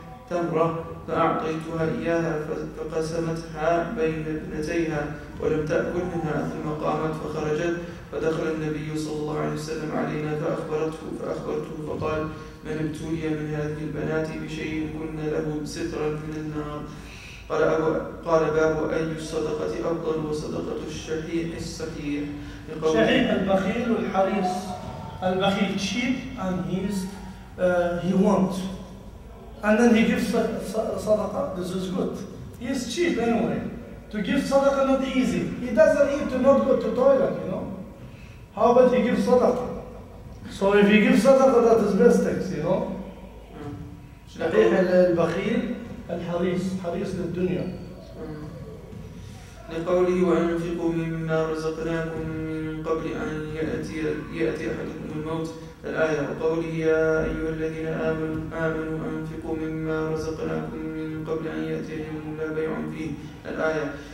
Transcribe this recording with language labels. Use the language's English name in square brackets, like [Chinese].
[Arabic] تمرة فأعطيتها إياها فقسمتها بين ابنتيها ولم تأكل منها ثم قامت فخرجت فدخل النبي صلى الله عليه وسلم علينا فأخبرته فقال من ابتلي من هذه البنات بشيء كن له سترا من النار. قال باب أي الصدقة أفضل وصدقة الشحيح الصحيح شحيح البخيل والحريص البخيل [English] cheap and he wants and then he gives sadaqah, this is good. He is cheap anyway. To give sadaqah not easy. He doesn't need to not go to toilet, you know. How about he gives sadaqah? So if he gives sadaqah, that is best things, you know. [Arabic] شحيح البخيل الحريص حريص للدنيا. لقوله وأنفقوا مما رزقناكم من قبل أن يأتي أحدكم الموت الآية وقوله يا أيها الذين آمنوا أنفقوا مما رزقناكم من قبل أن يأتيهم لا بيع فيه الآية.